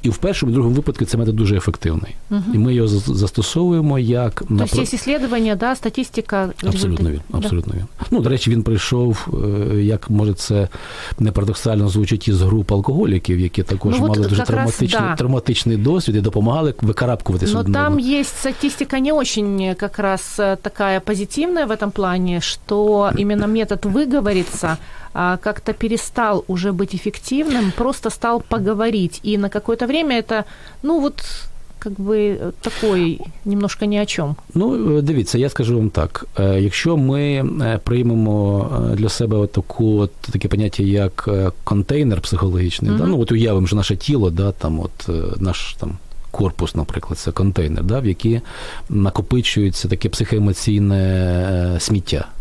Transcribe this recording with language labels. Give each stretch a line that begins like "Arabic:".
Ukrainian: І в першому, і другому випадку цей метод дуже ефективний. І ми його застосовуємо як... Тобто є дослідження, да, статистика? Абсолютно він. Абсолютно він. Ну, до речі, він прийшов, як може це не парадоксально звучить, із груп алкоголіків, які також мали дуже травматичний досвід і допомагали викарабкуватися.
Russian: Но там
Ukrainian: є
Russian: статистика не очень как раз такая позитивная в этом плане, что именно метод выговориться как-то перестал уже быть эффективным, просто стал поговорить. И на какое-то время это, ну вот, как бы такой немножко ни о чем.
Ukrainian: Ну, дивіться, я скажу вам так. Якщо ми приймемо для себе таке поняття, як контейнер психологічний, да? Ну, от уявимо, що наше тіло, да, там, от, наш там, корпус, наприклад, це контейнер, да, в який накопичується таке психоемоційне сміття.